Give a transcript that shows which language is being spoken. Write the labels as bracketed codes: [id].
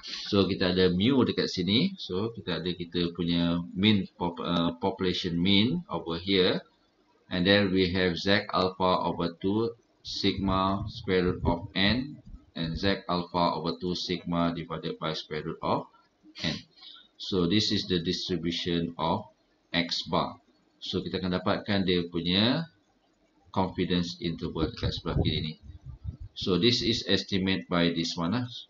[ms] So kita ada mu dekat sini. So kita ada kita punya mean population mean over here. [en] And then we have z alpha over 2 sigma square root of n. And z alpha over 2 sigma divided by square root of n. So this is the distribution of X bar. [ms] So kita akan dapatkan dia punya confidence interval dekat sebelah kiri ni. [en] So this is estimate by this one lah.